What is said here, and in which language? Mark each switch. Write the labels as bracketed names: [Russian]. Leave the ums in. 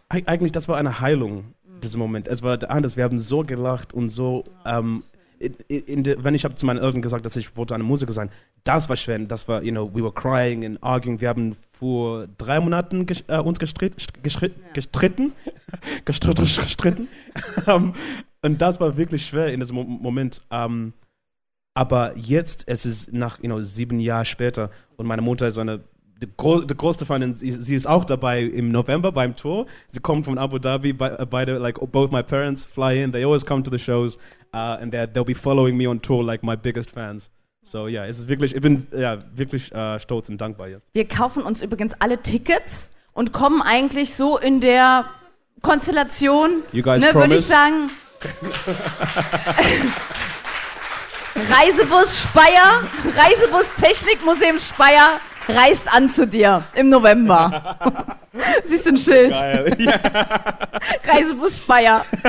[German] Eig- Eigentlich, das war eine Heilung, dieser Moment. Es war anders, wir haben so gelacht und so, ähm, in, in, in der- wenn ich habe zu meinen Eltern gesagt, dass ich wollte eine Musiker sein, das war schwer, das war, [English] you know, we were crying and arguing, [German] wir haben vor drei Monaten gesch- äh, uns gestrit, gestrit, gestritten, gestritten, gestritten, Ähm, und das war wirklich schwer in diesem Mo- Moment. Ähm, Aber jetzt, es ist nach [English] you know, [German] sieben Jahren später und meine Mutter ist eine die, gro die größte Fan. und Sie, sie ist auch dabei im November beim Tour. Sie kommen von Abu Dhabi. [English] By, [German] beide, [English] like both my parents fly in. They always come to the shows uh, and they're- they'll be following me on tour like my biggest fans. [German] So ja, es ist wirklich, ich bin ja wirklich äh, stolz und dankbar jetzt. Wir kaufen uns übrigens alle Tickets und kommen eigentlich so in der Konstellation, [English] You guys [German] würde ich [English] promise? [German] sagen. Reisebus Speyer, Reisebus Technikmuseum Speyer reist an zu dir im November. Siehst du ein Schild? Reisebus Speyer.